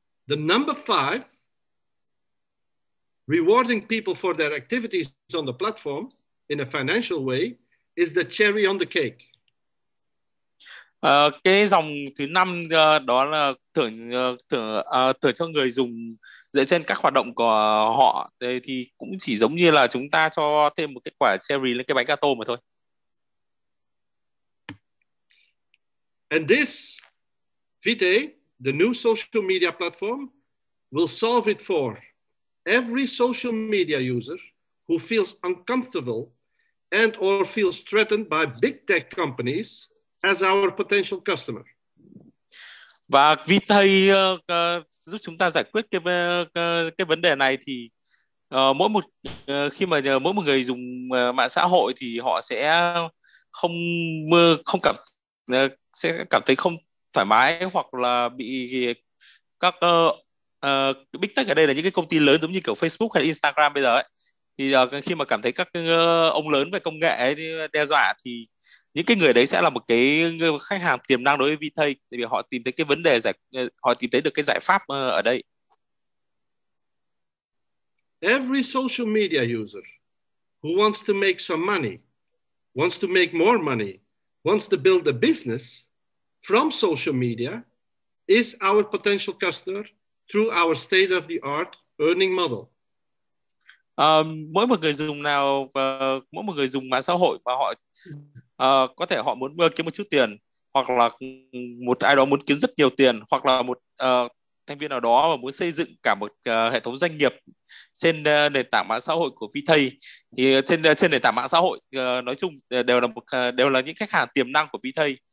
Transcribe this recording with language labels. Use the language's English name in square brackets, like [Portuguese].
[English] The number five, rewarding people for their activities on the platform in a financial way, is the cherry on the cake. [Vietnamese] Cái dòng thứ năm đó là thưởng cho người dùng dựa trên các hoạt động của họ thì cũng chỉ giống như là chúng ta cho thêm một cái quả cherry lên cái bánh gato mà thôi. [English] And this Vitae, the new social media platform, will solve it for every social media user who feels uncomfortable and or feels threatened by big tech companies as our potential customer. [Vietnamese] Và Vitae giúp chúng ta giải quyết cái vấn đề này thì mỗi một người dùng mạng xã hội thì họ sẽ không cảm sẽ cảm thấy không thoải mái hoặc là bị các big tech ở đây là những cái công ty lớn giống như kiểu Facebook hay Instagram bây giờ ấy. Thì khi mà cảm thấy các ông lớn về công nghệ ấy đe dọa thì những cái người đấy sẽ là một cái khách hàng tiềm năng đối với Vitae, tại vì họ tìm thấy cái vấn đề họ tìm thấy được cái giải pháp ở đây. [English] Every social media user who wants to make some money, wants to make more money, wants to build a business from social media is our potential customer through our state-of-the-art earning model. [Vietnamese] Mỗi một người dùng nào, mỗi một người dùng mạng xã hội và họ có thể họ muốn kiếm một chút tiền, hoặc là một ai đó muốn kiếm rất nhiều tiền, hoặc là một thành viên nào đó mà muốn xây dựng cả một hệ thống doanh nghiệp trên nền tảng mạng xã hội của Vitae, thì trên trên nền tảng mạng xã hội nói chung đều là một đều là những khách hàng tiềm năng của Vitae.